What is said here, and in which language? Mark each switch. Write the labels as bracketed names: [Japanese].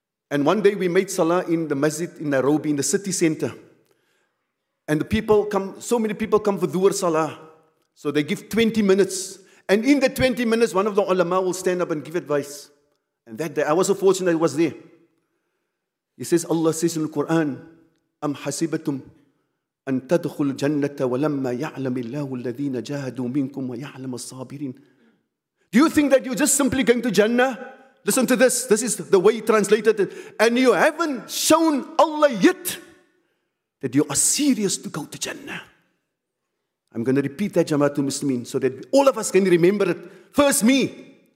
[English] And one day we made salah in the masjid in Nairobi, in the city center. And the people come, so many people come for dhuhr salah. So they give 20 minutes. And in the 20 minutes, one of the ulama will stand up and give advice. And that day, I was so fortunate I was there. He says, Allah says in the Quran, [Arabic] أَمْ حَسِبَتُمْ أَن تَدْخُلُ الْجَنَّةَ وَلَمَّا يَعْلَمِ اللَّهُ الَّذِينَ جَاهَدُوا مِنْكُمْ وَيَعْلَمَ الصَّابِرِينَ. [English] Do you think that you're just simply going to Jannah? Listen to this. This is the way he translated it. And you haven't shown Allah yet that you are serious to go to Jannah. I'm going to repeat that, Jamaatul Muslimin, so that all of us can remember it. First me.